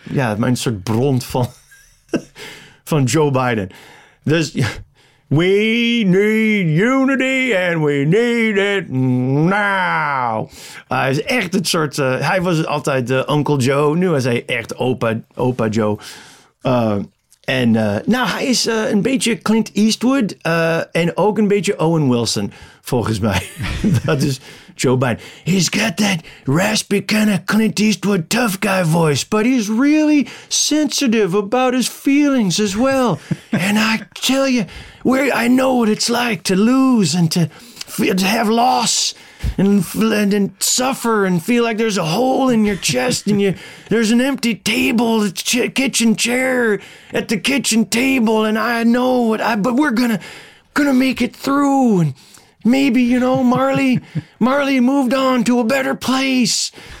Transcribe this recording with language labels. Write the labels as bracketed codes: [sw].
[nl] Ja, mijn soort bron van Joe Biden. [en] Dus we need unity and we need it now. [nl] Hij is echt het soort... hij was altijd Uncle Joe. Nu is hij echt opa Joe. Hij is een beetje Clint Eastwood en ook een beetje Owen Wilson, volgens mij. Dat is Joe Biden. [en] He's got that raspy kind of Clint Eastwood tough guy voice, but he's really sensitive about his feelings as well. And I tell you, I know what it's like to lose and to have loss. And suffer and feel like there's a hole in your chest and there's an empty table, kitchen chair at the kitchen table, and I know what but we're gonna make it through, and maybe Marley moved on to a better place.